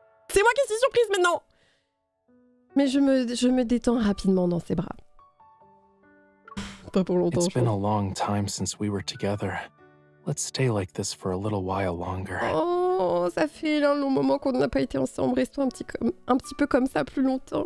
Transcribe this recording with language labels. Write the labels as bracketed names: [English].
[French] C'est moi qui suis surprise maintenant. Mais je me détends rapidement dans ses bras. Pas pour longtemps. [English] It's been a long time since we were together. Let's stay like this for a little while longer. [French] Oh, ça fait un long moment qu'on n'a pas été ensemble. Restons un petit peu comme ça plus longtemps.